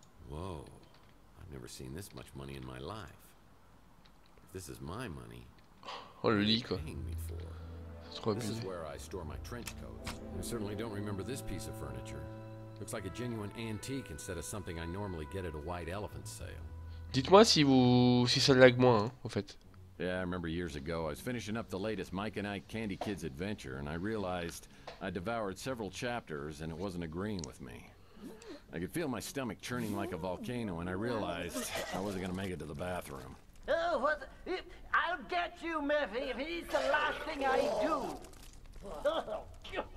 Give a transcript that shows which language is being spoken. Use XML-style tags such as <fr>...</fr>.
<en>Whoa. I've never seen this much money in my life. This is my money.</en> <fr>Oh, le lit, quoi. C'est trop abusé.</fr> <en>This is where I store my trench coats. I certainly don't remember this piece of furniture. Looks like a genuine antique instead of something I normally get at a white elephant sale.</en> <fr>Dites-moi si vous si ça lag moins, hein, en fait.</fr> <en>Yeah, I remember years ago, I was finishing up the latest Mike and I Candy Kids adventure, and I realized I devoured several chapters, and it wasn't agreeing with me. I could feel my stomach churning like a volcano, and I realized I wasn't going to make it to the bathroom. Oh, what? The, I'll get you, Murphy, if it's the last thing I do.</en>